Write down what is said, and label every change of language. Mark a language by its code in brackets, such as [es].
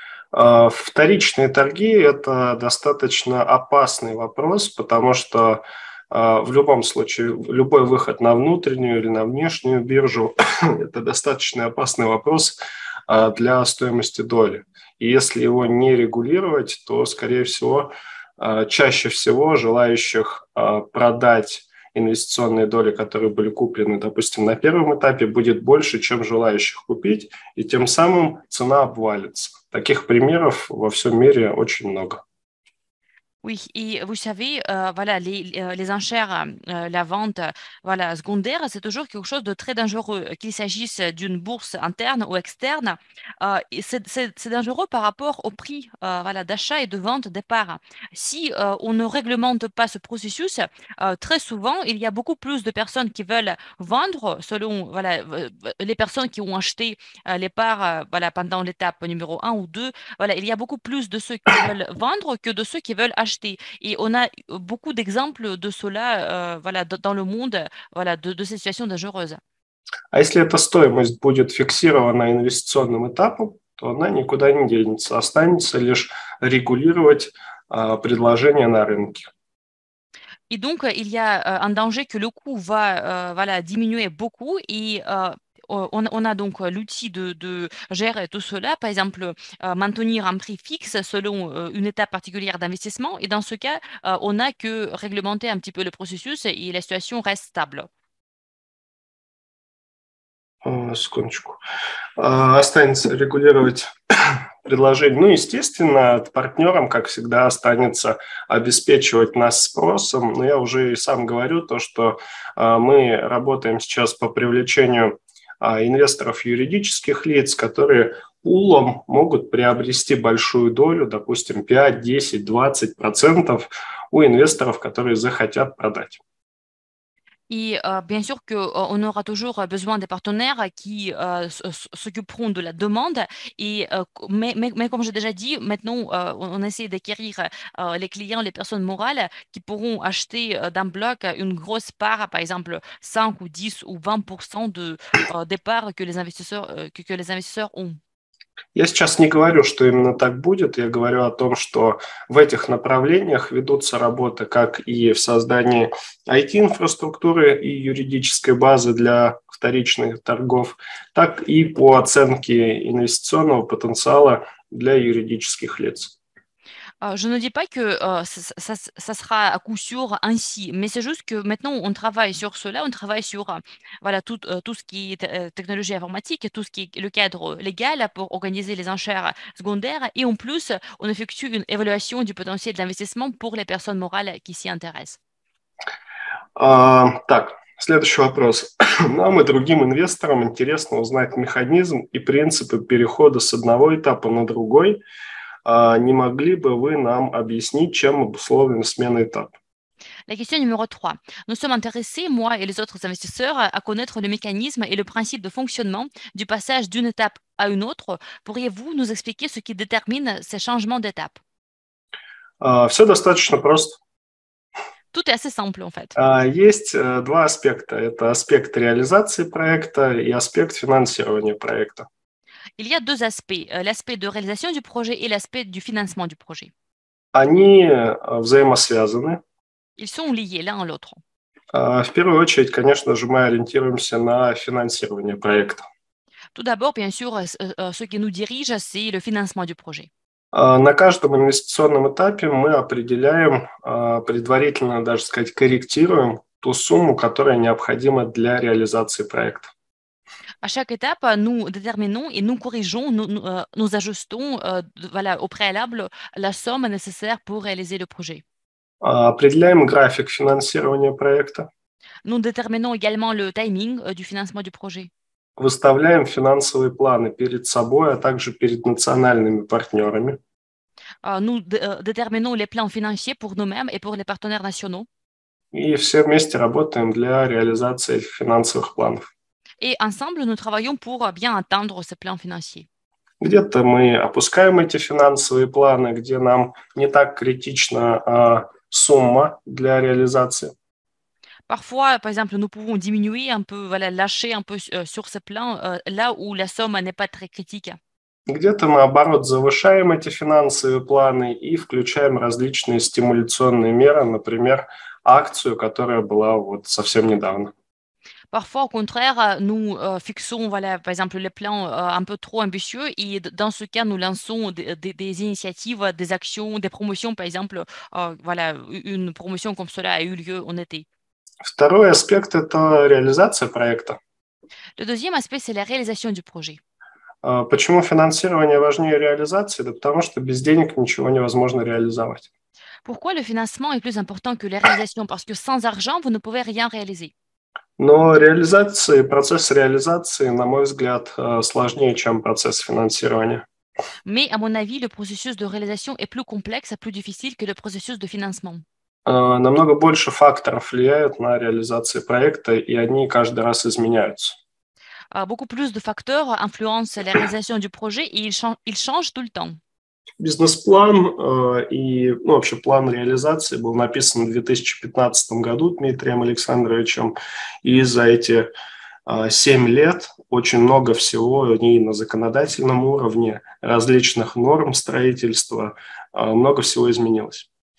[ru] Вторичные торги – это достаточно опасный вопрос, потому что в любом случае, любой выход на внутреннюю или на внешнюю биржу – это достаточно опасный вопрос для стоимости доли. И если его не регулировать, то, скорее всего, чаще всего желающих продать инвестиционные доли, которые были куплены, допустим, на первом этапе, будет больше, чем желающих купить, и тем самым цена обвалится. Таких примеров во всем мире очень много. [fr] Oui, et vous savez, les enchères, la vente secondaire, c'est toujours quelque chose de très dangereux, qu'il s'agisse d'une bourse interne ou externe. C'est dangereux par rapport au prix d'achat et de vente des parts. Si on ne réglemente pas ce processus, très souvent, il y a beaucoup plus de personnes qui veulent vendre selon les personnes qui ont acheté les parts pendant l'étape numéro 1 ou 2. Il y a beaucoup plus de ceux qui veulent vendre que de ceux qui veulent acheter. Et on a beaucoup d'exemples de cela dans le monde de ces situations dangereuses. [ru] А если эта стоимость будет фиксирована инвестиционным этапом, то она никуда не денется, останется лишь регулировать предложение на рынке. [fr] Et donc il y a un danger que le coût va diminuer beaucoup et On a donc l'outil de gérer tout cela, par exemple, maintenir un prix fixe selon une étape particulière d'investissement. Et dans ce cas, on n'a que réglementer un petit peu le processus et la situation reste stable. [ru] Секундочку. Останется регулировать предложение. Ну, естественно, партнерам, как всегда, останется обеспечивать нас спросом. Но я уже и сам говорю то, что мы работаем сейчас по привлечению инвесторов юридических лиц, которые пулом могут приобрести большую долю, допустим, 5, 10, 20% у инвесторов, которые захотят продать. [fr] Et bien sûr qu'on aura toujours besoin des partenaires qui s'occuperont de la demande. Et, mais comme j'ai déjà dit, maintenant, on essaie d'acquérir les clients, les personnes morales qui pourront acheter d'un bloc une grosse part, par exemple 5 ou 10 ou 20% des parts que les investisseurs, que les investisseurs ont. [ru] Я сейчас не говорю, что именно так будет. Я говорю о том, что в этих направлениях ведутся работы, как и в создании IT-инфраструктуры и юридической базы для вторичных торгов, так и по оценке инвестиционного потенциала для юридических лиц. [fr] Je ne dis pas que ça sera à coup sûr ainsi, mais c'est juste que maintenant on travaille sur cela, on travaille sur voilà tout ce qui est technologie informatique, tout ce qui est le cadre légal pour organiser les enchères secondaires, et en plus on effectue une évaluation du potentiel d'investissement pour les personnes morales qui s'y intéressent. [ru] Так, следующий вопрос. Нам и другим инвесторам интересно узнать механизм и принципы перехода с одного этапа на другой. Не могли бы вы нам объяснить, чем обусловлена смена этапа? [fr] La question numéro 3. Nous sommes intéressés, moi et les autres investisseurs, à connaître le mécanisme et le principe de fonctionnement du passage d'une étape à une autre. Pourriez-vous nous expliquer ce qui détermine ces changements d'étape? [ru] Все достаточно просто. [fr] Tout est assez simple, en fait. [ru] Есть два аспекта. Это аспект реализации проекта и аспект финансирования проекта. [fr] Il y a deux aspects, l'aspect de réalisation du projet et l'aspect du financement du projet. [ru] Они взаимосвязаны. [fr] Ils sont liés l'un à l'autre. [ru] В первую очередь, конечно же, мы ориентируемся на финансирование проекта. [fr] Tout d'abord, bien sûr, ce qui nous dirige, c'est le financement du projet. [ru] На каждом инвестиционном этапе мы определяем, предварительно даже сказать, корректируем ту сумму, которая необходима для реализации проекта. [fr] À chaque étape, nous déterminons et нous corrigeons, nous ajustons, voilà, au préalable la somme nécessaire pour réaliser le projet. [ru] Определяем график финансирования проекта. [fr] Nous déterminons également le timing du financement du projet. [ru] Выставляем финансовые планы перед собой, а также перед национальными партнерами. [fr] Nous déterminons les plans financiers pour nous-mêmes et pour les partenaires nationaux. [ru] И все вместе работаем для реализации этих финансовых планов. [fr] Et ensemble, nous travaillons pour bien atteindre ce plan financier. [ru] Где-то мы опускаем эти финансовые планы, где нам не так критична, сумма для реализации. [fr] Parfois, par exemple, nous pouvons diminuer un peu, voilà, lâcher un peu sur ce plan, là où la somme n'est pas très critique. [ru] Где-то, наоборот, завышаем эти финансовые планы и включаем различные стимуляционные меры, например, акцию, которая была вот совсем недавно. [fr] Parfois, au contraire, nous fixons, voilà, par exemple, les plans un peu trop ambitieux et dans ce cas, nous lançons des initiatives, des actions, des promotions, par exemple, voilà, une promotion comme cela a eu lieu en été. [ru] Второй аспект – это реализация проекта. [fr] Le deuxième aspect, c'est la réalisation du projet. [ru] Почему финансирование важнее реализации? Да потому что без денег ничего невозможно реализовать. [fr] Pourquoi le financement est плus important que la réalisation? Parce que sans argent, [ru] вы [fr] ne pouvez rien réaliser. [ru] Но реализация, процесс реализации, на мой взгляд, сложнее, чем процесс финансирования. [fr] Mais à mon avis, le processus de réalisation est plus complexe et plus difficile que le processus de financement. [ru] Намного больше факторов влияют на реализацию проекта, и они каждый раз изменяются. [fr] Beaucoup plus de facteurs influencent la réalisation du projet et ils changent tout le temps. [ru] Бизнес-план и, ну, вообще план реализации был написан в 2015 году Дмитрием Александровичем, и за эти 7 лет очень много всего, и на законодательном уровне различных норм строительства, много всего изменилось.